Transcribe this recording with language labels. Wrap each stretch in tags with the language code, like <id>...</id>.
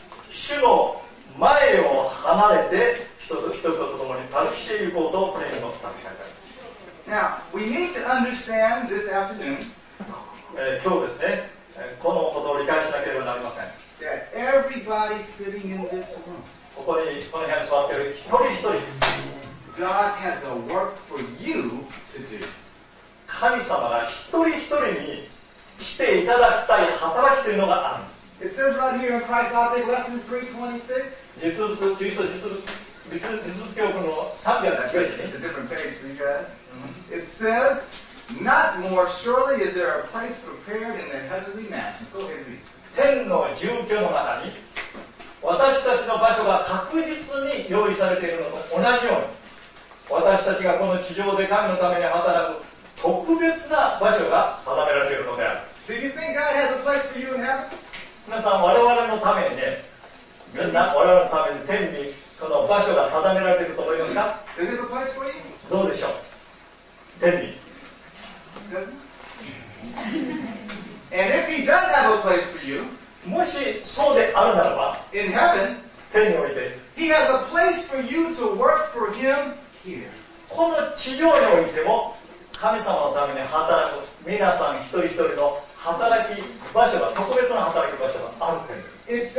<ja>主の前を離れて人々と共にタルシへ行こうと船に乗ったと書いてあります。</ja> <en>Now, we need to understand this afternoon,</en> <ja>今日ですね、このことを理解しなければなりません。</ja> <en>That everybody sitting in this room,</en> <ja>この部屋に座っている一人一人、</ja> <en>God has a work for you to do.</en> <ja>神様が一人一人にしていただきたい働きというのがあるんです。</ja> <en>It says right here in Christ's Object Lesson 3:26,</en> <ja>実物教訓の300ページに、</ja> <en>It says, not more surely is there a place prepared in the heavenly mansion. So heavy.</en> <ja>天の住居の中に私たちの場所が確実に用意されているのと同じように。私たちがこの地上で神のために働く特別な場所が定められているのである。</ja> <en>Do you think God has a place for you in heaven?</en> <ja>皆さん、我々のためにね、皆さん、我々のために天にその場所が定められていると思いますか?</ja> <en>Is it a place for you?</en> <ja>どうでしょう?天に。</ja> <en>And if he does have a place for you,</en> <ja>もしそうであるならば、</ja> <en>in heaven,</en> <ja>天において、</ja> <en>he has a place for you to work for him here.</en> <ja>この地上においても、神様のために働く皆さん一人一人の働き場所が、特別な働き場所があるというんです。</ja>